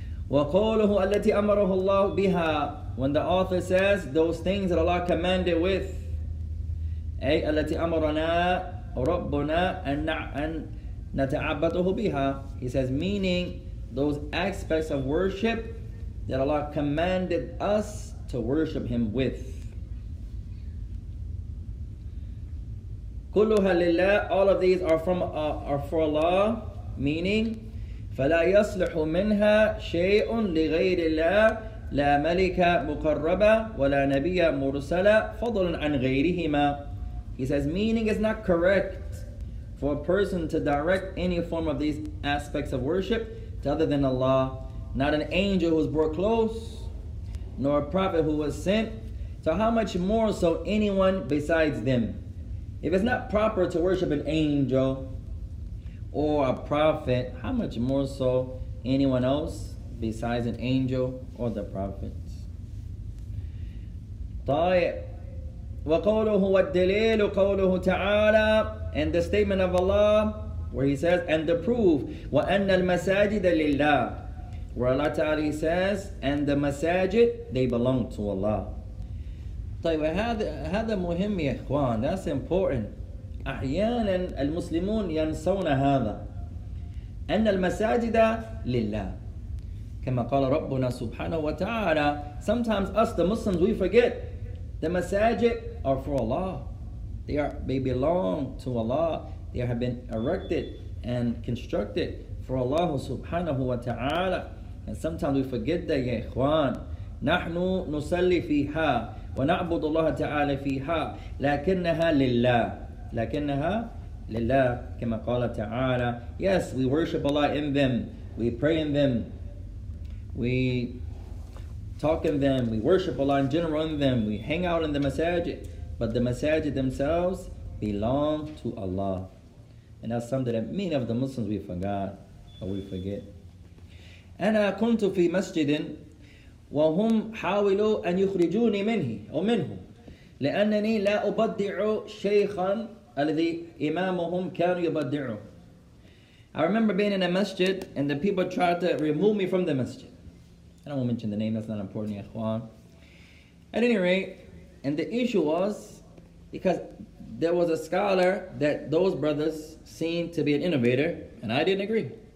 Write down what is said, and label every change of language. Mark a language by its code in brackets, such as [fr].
[ar] وَقَوْلُهُ الَّتِي أَمَرَهُ اللَّهُ بِهَا. [en] When the author says those things that Allah commanded with, [ar] أي الَّتِي أَمَرَنَا رَبُّنَا أَن نَتَعَبَّدُهُ بِهَا. [en] He says, meaning those aspects of worship that Allah commanded us to worship Him with. [ar] كلها لله. [en] All of these are for Allah, meaning [ar] فلا يصلح منها شيء لغير الله لا ملك مقرب ولا نبي مرسل فضلا عن غيرهما. [en] He says, meaning it's not correct for a person to direct any form of these aspects of worship to other than Allah, not an angel who's brought close, nor a prophet who was sent. So how much more so anyone besides them? If it's not proper to worship an angel or a prophet, how much more so anyone else besides an angel or the prophets? [ar] طيب. وقوله والدليل قوله تعالى. [en] And the statement of Allah where He says, and the proof. [ar] وأن المساجد لله. [en] Where Allah Ta'ala says, and the masajid, they belong to Allah. [ar] طيب هذا مهم يا إخوان. [en] That's important. [ar] أحيانا المسلمون ينسون هذا أن المساجد لله كما قال ربنا سبحانه وتعالى. [en] Sometimes us the Muslims, we forget the masajid are for Allah. They belong to Allah. They have been erected and constructed for Allah سبحانه وتعالى. And sometimes we forget that, [ar] يا إخوان. نحن نصلي فيها ونعبد الله تعالى فيها لكنها لله لله كما قال تعالى. [en] Yes, we worship Allah in them, we pray in them, we talk in them, we worship Allah in general in them, we hang out in the masajid, but the masajid themselves belong to Allah. And that's something that many of the Muslims we forgot or we forget. [ar] أنا كنت في مسجد وهم حاولوا أن يخرجوني منه أو منه لأنني لا أبدع شيخا الذي إمامهم كانوا يبدعوا. [en] I remember being in a masjid and the people tried to remove me from the masjid. I don't want to mention the name, that's not important, ya Ikhwan. At any rate, and the issue was because there was a scholar that those brothers seemed to be an innovator and I didn't agree.